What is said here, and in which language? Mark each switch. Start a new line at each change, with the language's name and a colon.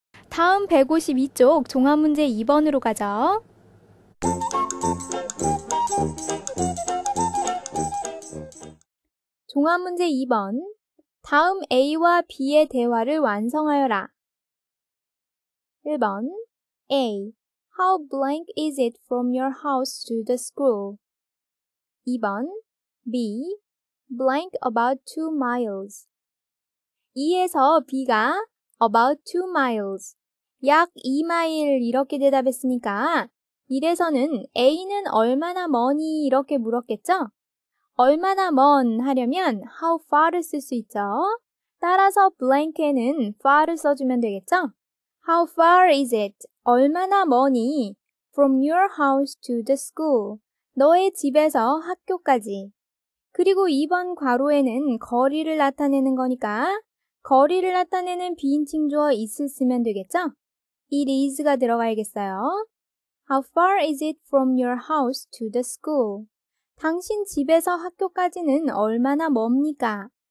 Korean: 다음 152쪽 종합문제 2번으로 가죠. 종합문제 2번 다음 A와 B의 대화를 완성하여라. 1번 A.
English: How blank is it from your house to the school? 2번 B. Blank about 2 miles.
Korean: 2에서 B가
English: about 2 miles.
Korean: 약 2마일 이렇게 대답했으니까 이래서는 A는 얼마나 머니 이렇게 물었겠죠? 얼마나 먼 하려면 how far을 쓸 수 있죠? 따라서 blank에는 far을 써주면 되겠죠?
English: How far is it?
Korean: 얼마나 머니?
English: From your house to the school.
Korean: 너의 집에서 학교까지. 그리고 2번 괄호에는 거리를 나타내는 거니까 거리를 나타내는 비인칭 주어 is을 쓰면 되겠죠? It is가 들어가야겠어요.
English: How far is it from your house to the school?
Korean: 당신 집에서 학교까지는 얼마나 멉니까?